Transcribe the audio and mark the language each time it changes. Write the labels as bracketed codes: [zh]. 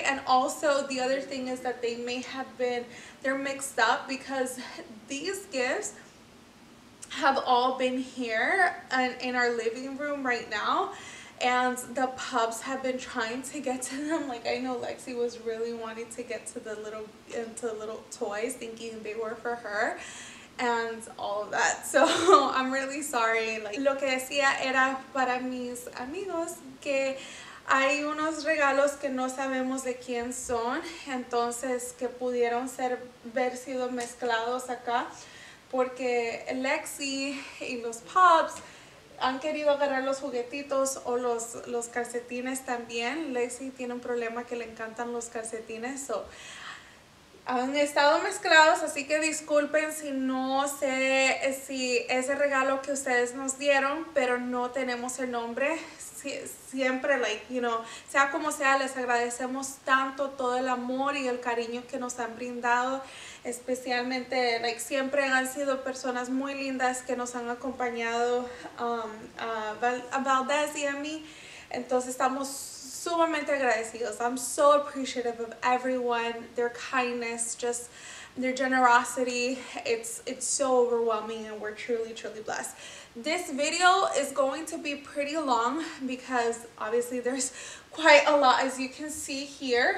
[en] And also the other thing is that they may have been, they're mixed up, because these gifts have all been here and in our living room right now, and the pups have been trying to get to them. Like, I know Lexi was really wanting to get to the little, into the little toys, thinking they were for her and all of that. So I'm really sorry. [es] Like, lo que decía era para mis amigos que hay unos regalos que no sabemos de quién son, entonces que pudieron ser, haber sido mezclados acá, porque Lexi y los pups han querido agarrar los juguetitos o los calcetines también. Lexi tiene un problema que le encantan los calcetines, so Han estado mezclados, así que disculpen si no sé si ese regalo que ustedes nos dieron, pero no tenemos el nombre. Siempre, like, you know, sea como sea, les agradecemos tanto todo el amor y el cariño que nos han brindado. Especialmente, like, siempre han sido personas muy lindas que nos han acompañado, Valdez y a mí. Entonces, estamos sumamente agradecidos. [en] I'm so appreciative of everyone, their kindness, just their generosity. It's so overwhelming and we're truly, truly blessed. This video is going to be pretty long because obviously there's quite a lot as you can see here.